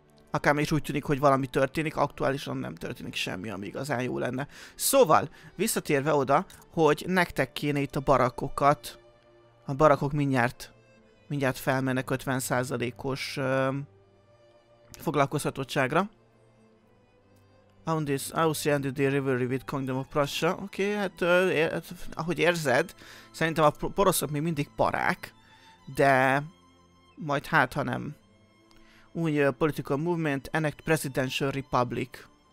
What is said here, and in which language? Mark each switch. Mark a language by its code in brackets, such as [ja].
[hu] Akármely is úgy tűnik, hogy valami történik, aktuálisan nem történik semmi, ami igazán jó lenne. Szóval, visszatérve oda, hogy nektek kéne itt a barakokat. A barakok mindjárt felmennek 50%-os foglalkoztatottságra. [en] On this, Austria ended the rivalry with Kingdom of Prussia. [hu] Oké, okay, hát ahogy érzed, szerintem a poroszok még mindig parák, de majd hát, ha nem. [en] Új political movement, enact presidential republic.